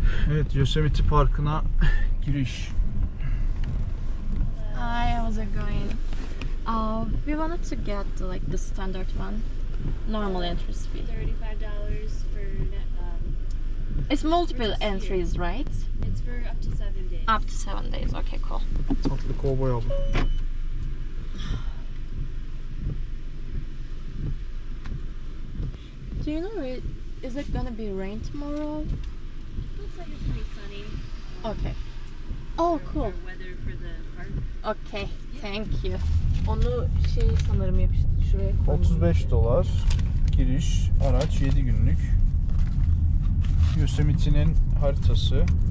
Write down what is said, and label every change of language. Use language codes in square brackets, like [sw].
[tr] Evet, Yosemite Parkı'na giriş. [en] Hi, how's it going? We wanted to get like the standard one, normal entry fee. $35 for It's multiple entries, right? It's for up to 7 days. Up to 7 days. Okay, cool. [tr] Tatlı kovboy abi. [en] Do you know, is it gonna be rain tomorrow? Like it's pretty sunny. Okay. Oh, cool. For weather for the park. Okay. Yeah. Thank you. [tr] Onu şey sanırım yapıştı şuraya. $35 giriş, araç 7 günlük. Yosemite'nin haritası.